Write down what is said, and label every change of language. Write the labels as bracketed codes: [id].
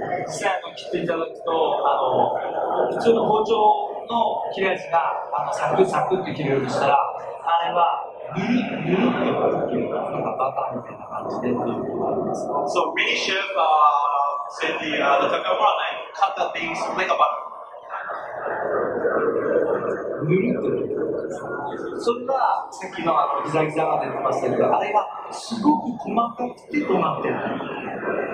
[ja] スナイを切っていただくと、普通の包丁の切れ味がサクサクって切れるようにしたら、あれはぬるぬるっと切れるか、バターみたいな感じでっていうことがあります。 [en] So, Mini Chef said the Takamura knife cut the things like a butter. [ja] ぬるっと。それはさっきのギザギザが出てましたけど、あれがすごく細かくて止まってない。